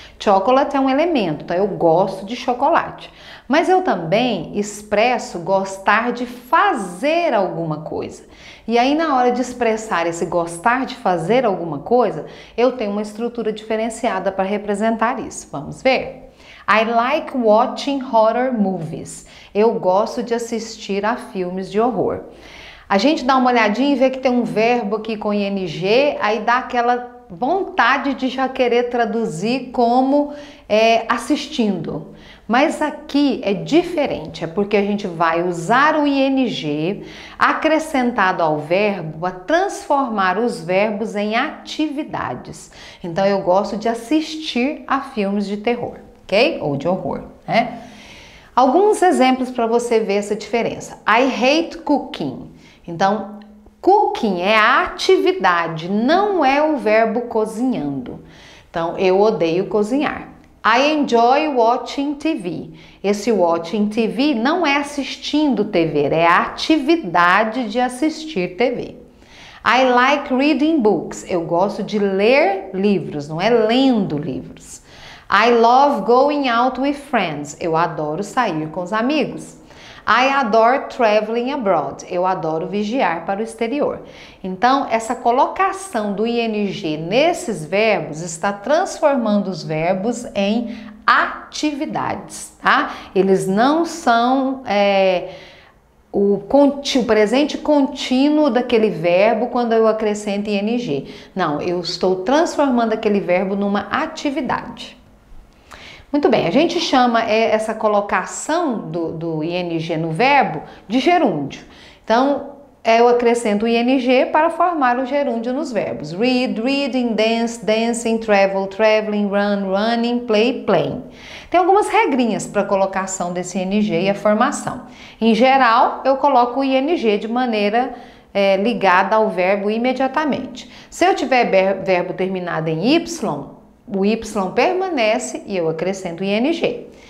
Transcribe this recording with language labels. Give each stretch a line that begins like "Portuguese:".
Portuguese: Chocolate é um elemento, então eu gosto de chocolate. Mas eu também expresso gostar de fazer alguma coisa. E aí, na hora de expressar esse gostar de fazer alguma coisa, eu tenho uma estrutura diferenciada para representar isso. Vamos ver?
English: I like watching horror movies.
Portuguese: Eu gosto de assistir a filmes de horror. A gente dá uma olhadinha e vê que tem um verbo aqui com ing, aí dá aquela vontade de já querer traduzir como assistindo. Mas aqui é diferente, é porque a gente vai usar o ing acrescentado ao verbo a transformar os verbos em atividades. Então eu gosto de assistir a filmes de terror, ok? Ou de horror, né? Alguns exemplos para você ver essa diferença.
English: I hate cooking.
Portuguese: Então, cooking é a atividade, não é o verbo cozinhando. Então, eu odeio cozinhar.
English: I enjoy watching TV.
Portuguese: Esse watching TV não é assistindo TV, é a atividade de assistir TV.
English: I like reading books.
Portuguese: Eu gosto de ler livros, não é lendo livros.
English: I love going out with friends.
Portuguese: Eu adoro sair com os amigos.
English: I adore traveling abroad.
Portuguese: Eu adoro viajar para o exterior. Então, essa colocação do ing nesses verbos está transformando os verbos em atividades, tá? Eles não são o presente contínuo daquele verbo quando eu acrescento ing. Não, eu estou transformando aquele verbo numa atividade. Muito bem, a gente chama essa colocação do ing no verbo de gerúndio. Então, eu acrescento o ing para formar o gerúndio nos verbos.
English: Read, reading, dance, dancing, travel, traveling, run, running, play, playing.
Portuguese: Tem algumas regrinhas para a colocação desse ing e a formação. Em geral, eu coloco o ing de maneira ligada ao verbo imediatamente. Se eu tiver verbo terminado em Y, o Y permanece e eu acrescento o ing.